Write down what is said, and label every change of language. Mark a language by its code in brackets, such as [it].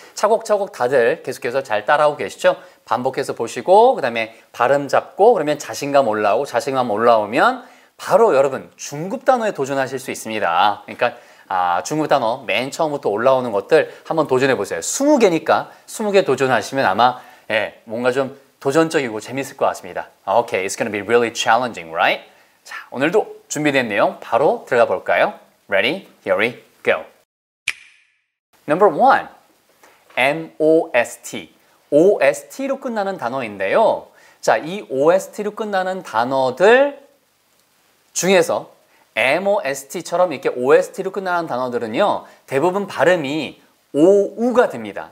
[ko] 차곡차곡 다들 계속해서 잘 따라오고 계시죠? 반복해서 보시고 그 다음에 발음 잡고 그러면 자신감 올라오고 자신감 올라오면 바로 여러분 중급 단어에 도전하실 수 있습니다. 그러니까 중급 단어 맨 처음부터 올라오는 것들 한번 도전해 보세요. 20개니까 20개 도전하시면 아마 예, 뭔가 좀 도전적이고 재밌을 것 같습니다. [en] Okay, it's gonna be really challenging, right? [ko] 자, 오늘도 준비된 내용 바로 들어가 볼까요? [en] Ready? Here we go. Number one, M-O-S-T. [ko] OST로 끝나는 단어인데요. 자, 이 OST로 끝나는 단어들 중에서 MOST처럼 이렇게 OST로 끝나는 단어들은요, 대부분 발음이 OU가 됩니다.